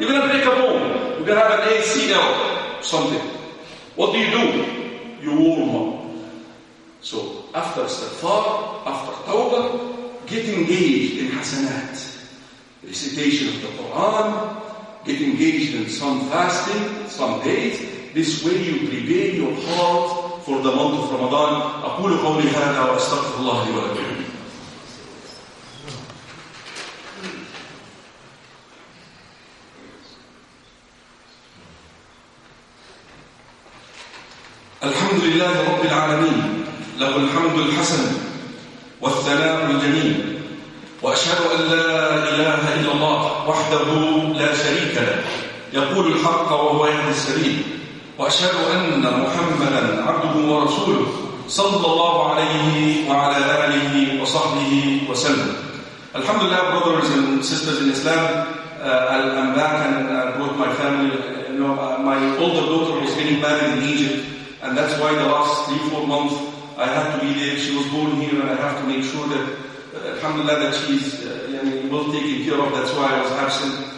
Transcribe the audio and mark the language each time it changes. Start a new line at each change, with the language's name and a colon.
English: You're going to break a bone. You're going to have an ACL or something. What do? You warm up. So, after istighfar, after tawbah, get engaged in hasanat. Recitation of the Quran, get engaged in some fasting, some days. This way you prepare your heart for the month of Ramadan.
Arabic: أقول قولي هذا وأستغفر الله لي ولكم. الحمد لله رب العالمين له الحمد الحسن والثناء الجميل وأشهد أن لا إله إلا الله وحده لا شريك له يقول الحق وهو يهدي السبيل وأشهد أن محمداً عبده ورسوله صلى الله عليه وعلى آله وصحبه وسلم. الحمد لله,
English: brothers and sisters in Islam. I'm back and brought my family. You know, my older daughter was getting married in Egypt, and that's why the last 3-4 months I had to be there. She was born here, and I have to make sure that Alhamdulillah that she's well taken care of, that's why I was absent.